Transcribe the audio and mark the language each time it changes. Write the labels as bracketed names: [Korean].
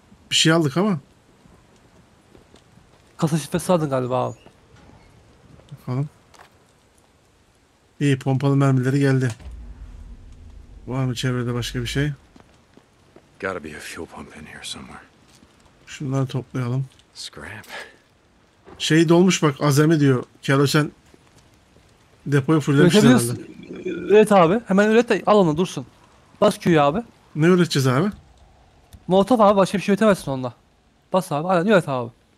[Turkish] Bir şey aldık ama. Kasa şifresi aldın galiba abi. Bakalım. İyi, pompalı mermileri geldi. Var mı çevrede başka bir şey? [English] Gotta be a fuel pump in here somewhere. [Turkish] Şunları toplayalım. [English] Scrap. [Turkish] Şey dolmuş bak, azami diyor. Kerosen depoyu fullemiş herhalde. Üret abi, hemen üret de al onu dursun. Bas Q'yu abi. Ne üreteceğiz abi? Molotov abi, başka bir şey üretemezsin onunla. Bas abi, aynen üret abi.